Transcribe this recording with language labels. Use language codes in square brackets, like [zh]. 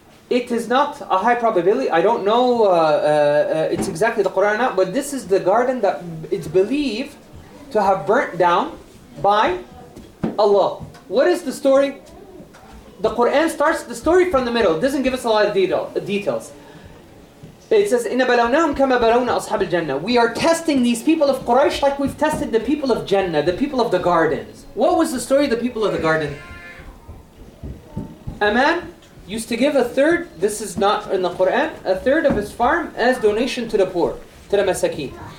[en] It is not a high probability. I don't know it's exactly the Quran or not, but this is the garden that it's believed to have burnt down by Allah. What is the story? The Quran starts the story from the middle. It doesn't give us a lot of details. It says, [ar] إِنَّ بَلَوْنَاهُمْ كَمَا بَلَوْنَا أَصْحَابِ الْجَنَّةِ. [en] We are testing these people of Quraysh like we've tested the people of Jannah, the people of the gardens. What was the story of the people of the garden? Amen. Used to give a third, this is not in the Quran, a third of his farm as donation to the poor, to the masakeen.